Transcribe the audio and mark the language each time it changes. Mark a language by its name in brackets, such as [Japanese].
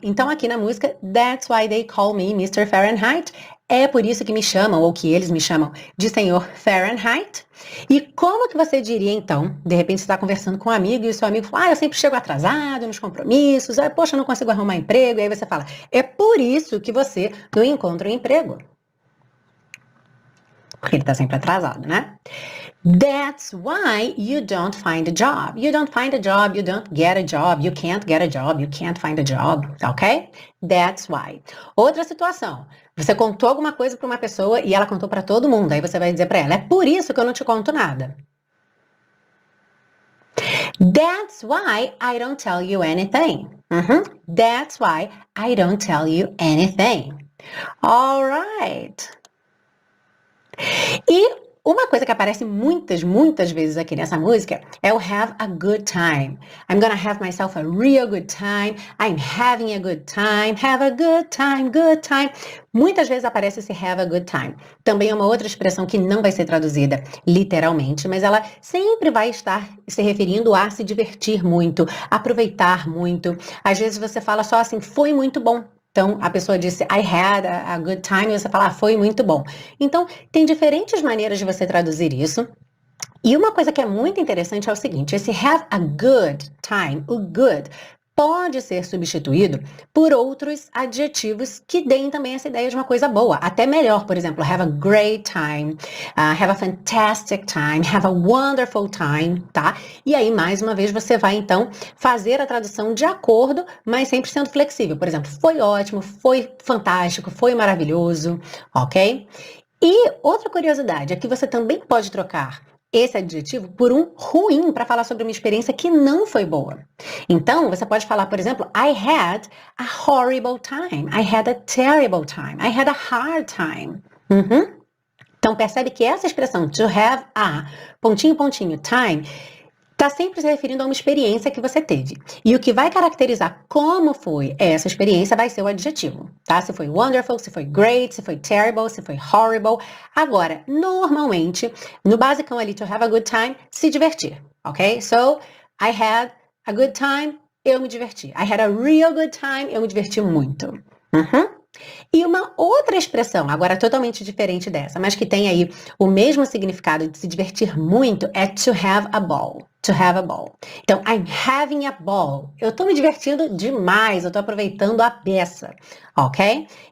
[Portuguese] Então aqui na música, [English] that's why they call me Mr. Fahrenheit, [Portuguese] é por isso que me chamam, ou que eles me chamam, de senhor Fahrenheit. E como que você diria então, de repente você está conversando com um amigo e o seu amigo fala, ah, eu sempre chego atrasado nos compromissos, ah, poxa, eu não consigo arrumar emprego, e aí você fala, é por isso que você não encontra um emprego. Porque ele está sempre atrasado, né? [English] That's why you don't find a job. You don't find a job, you don't get a job, you can't get a job, you can't find a job, ok? That's why. [Portuguese] Outra situação, você contou alguma coisa para uma pessoa e ela contou para todo mundo, aí você vai dizer para ela, é por isso que eu não te conto nada. [English] That's why I don't tell you anything. That's why I don't tell you anything. All right. [Portuguese] E uma coisa que aparece muitas, muitas vezes aqui nessa música é o [English] have a good time. I'm gonna have myself a real good time. I'm having a good time. Have a good time, good time. [Portuguese] Muitas vezes aparece esse [English] have a good time. [Portuguese] Também é uma outra expressão que não vai ser traduzida literalmente, mas ela sempre vai estar se referindo a se divertir muito, aproveitar muito. Às vezes você fala só assim, foi muito bom. Então, a pessoa disse, [English] I had a good time, [Portuguese] e você fala, ah, foi muito bom. Então, tem diferentes maneiras de você traduzir isso. E uma coisa que é muito interessante é o seguinte, esse [English] have a good time, [Portuguese] o good, pode ser substituído por outros adjetivos que deem também essa ideia de uma coisa boa, até melhor, por exemplo, [English] have a great time, have a fantastic time, have a wonderful time, [Portuguese] tá? E aí, mais uma vez, você vai, então, fazer a tradução de acordo, mas sempre sendo flexível. Por exemplo, foi ótimo, foi fantástico, foi maravilhoso, ok? E outra curiosidade é que você também pode trocar esse adjetivo por um ruim para falar sobre uma experiência que não foi boa. Então, você pode falar, por exemplo, [English] I had a horrible time, I had a terrible time, I had a hard time. [Portuguese] Então, percebe que essa expressão, to have a pontinho, pontinho, time, está sempre se referindo a uma experiência que você teve. E o que vai caracterizar como foi essa experiência vai ser o adjetivo, tá? Se foi wonderful, se foi great, se foi terrible, se foi horrible. Agora, normalmente, no basicão ali, [English] to have a good time, [Portuguese] se divertir, ok? [English] So, I had a good time, [Portuguese] eu me diverti. [English] I had a real good time, [Portuguese] eu me diverti muito. E uma outra expressão, agora totalmente diferente dessa, mas que tem aí o mesmo significado de se divertir muito, é [English] to have a ball. To have a ball. [Portuguese] Então, [English] I'm having a ball. [Portuguese] Eu tô me divertindo demais, eu tô aproveitando a peça, ok?